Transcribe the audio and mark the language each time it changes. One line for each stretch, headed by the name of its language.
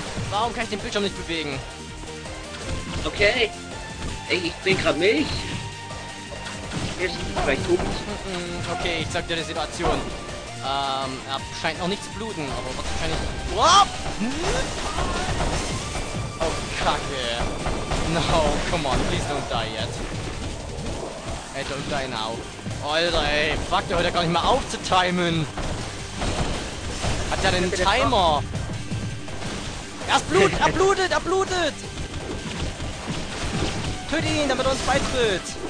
German: Warum kann ich den Bildschirm nicht bewegen? Okay. Ey, ich trinke gerade Milch. Okay, ich sag dir die Situation. Er scheint noch nicht zu bluten, aber wahrscheinlich. Wow! Oh, Kacke.
English: No, come on, please don't die yet. Hey, don't die now.
German: Alter, ey, fuck, der hört ja gar nicht mehr auf zu timen. Hat der denn einen Timer? Er blutet! Töt ihn, damit er uns beitritt.